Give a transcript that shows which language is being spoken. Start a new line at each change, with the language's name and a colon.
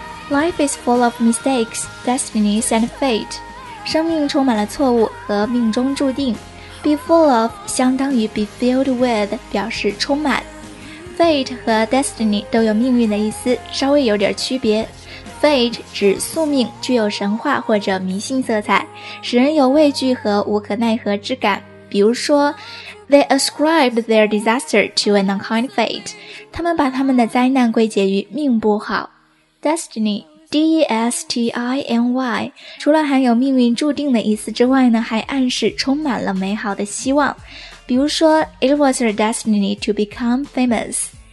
English: Life is full of mistakes, destinies, and fate.
Chinese: 生命充满了错误和命中注定。 Be full of 相当于 be filled with， 表示充满。 Fate 和 destiny 都有命运的意思，稍微有点区别。 Fate 指宿命，具有神话或者迷信色彩，使人有畏惧和无可奈何之感。比如说
English: ，They ascribed their disaster to an unkind fate.
Chinese: 他们把他们的灾难归结于命不好。 Destiny, D-E-S-T-I-N-Y， 除了含有命运注定的意思之外呢，还暗示充满了美好的希望。比如说
English: It was her destiny to become famous.